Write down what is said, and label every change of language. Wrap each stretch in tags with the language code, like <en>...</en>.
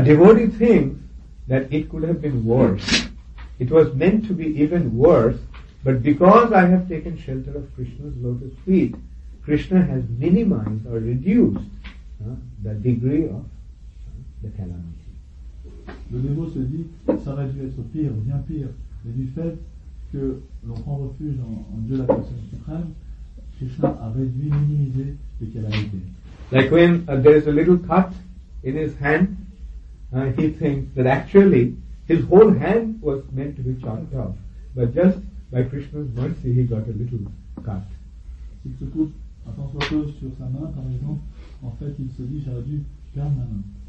<en>A devotee thinks that it could have been worse. It was meant to be even worse, but because I have taken shelter of Krishna's lotus feet, Krishna has minimized or reduced the degree of the calamity.</en> <fr>Le dévot se dit, ça aurait dû être pire, bien pire. Mais du fait que l'on prend refuge en Dieu, la personne suprême, Krishna a réduit, minimisé les calamités.</fr> <en>Like when there is a little cut in his hand, he thinks that actually his whole hand was meant to be chopped off, but just by Krishna's mercy, he got a little cut.</en> <fr>S'il se coupe un tant soit peu sur sa main, par exemple, en fait, il se dit, j'aurais dû perdre ma main.</fr>